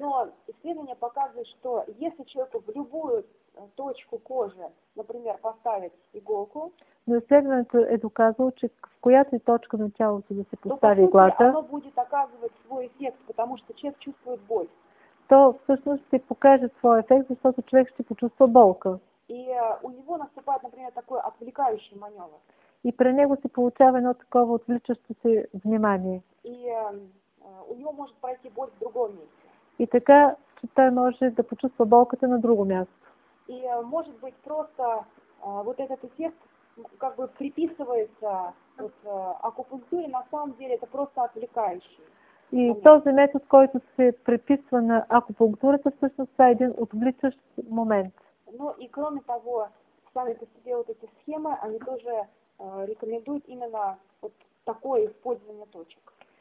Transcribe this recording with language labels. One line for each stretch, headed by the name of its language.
Russian: Но исследования показывают, что если человеку в любую точку кожи, например, поставить иголку,
Bulgarian: но изследването е доказало, че в която и точка на тялото да се постави иглата,
Russian: то оно будет оказывать свой эффект, потому что человек чувствует боль.
Bulgarian: То всъщност ще покаже свой ефект, защото човек ще почувства болка.
Russian: И у него наступает, например, такой отвлекающий маневр.
Bulgarian: И при него се получава едно такова отвличащо се внимание.
Russian: И у него может пройти боль в другом месте.
Bulgarian: И така, че той може да почувства болката на друго място.
Russian: И может быть просто вот этот эффект как бы приписывается вот, акупунктуре, на самом деле это просто отвлекающий.
Bulgarian: И този метод, който се приписва на акупунктурата, всъщност това е един отвличащ момент.
Russian: Ну и кроме того, сами по себе вот эти схемы, они тоже рекомендуют именно вот такое использование точек.